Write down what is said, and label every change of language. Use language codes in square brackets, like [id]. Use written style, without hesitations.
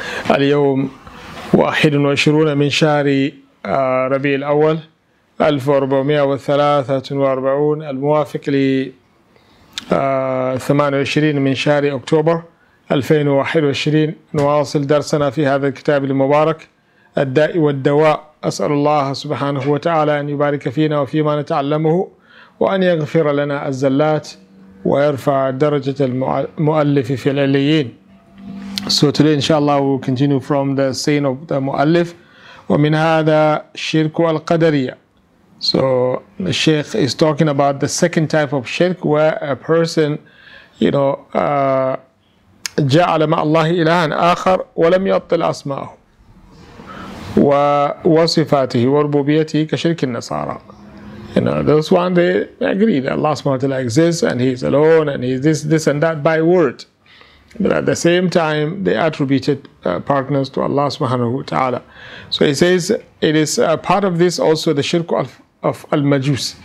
[ar] اليوم 21 من شهر ربيع الأول 1443 الموافق ل 28 من شهر أكتوبر 2021 نواصل درسنا في هذا الكتاب المبارك الداء والدواء أسأل الله سبحانه وتعالى أن يبارك فينا وفيما نتعلمه وأن يغفر لنا الزلات ويرفع درجة المؤلف في العليين. [en] So today inshallah we will continue from the saying of the مؤلف [ar] ومن هذا الشرك القدرية. [en] So the Sheikh is talking about the second type of shirk where a person, you know, [ar] جعل مع الله إلها آخر ولم يبطل أسماءه. وصفاته وربوبيته كشرك النصارى. [en] You know, this one they agree that Allah subhanahu wa ta'ala exists and He's alone and He's this and that by word. But at the same time, they attributed partners to Allah subhanahu wa ta'ala. So He says it is a part of this also the shirk of al-Majus.